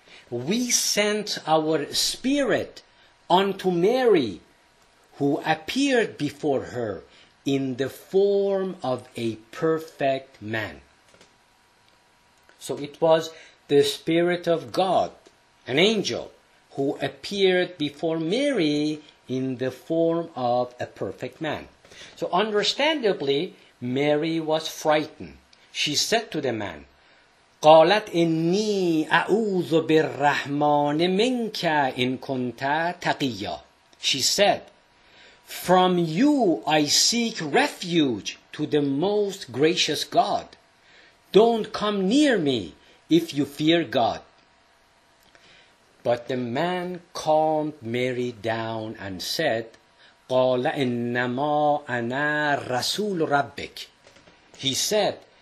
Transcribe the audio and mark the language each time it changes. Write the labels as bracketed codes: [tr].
[en] We sent our spirit unto Mary, who appeared before her in the form of a perfect man. So it was the spirit of God, an angel, who appeared before Mary in the form of a perfect man. So understandably, Mary was frightened. She said to the man, [ar] قالت إني أعوذ بالرحمن منك إن كنت تقيا. [en] She said, from you I seek refuge to the most gracious God. Don't come near me if you fear God. But the man calmed Mary down and said, [ar] قال إنما أنا رسول ربك. [en] He said,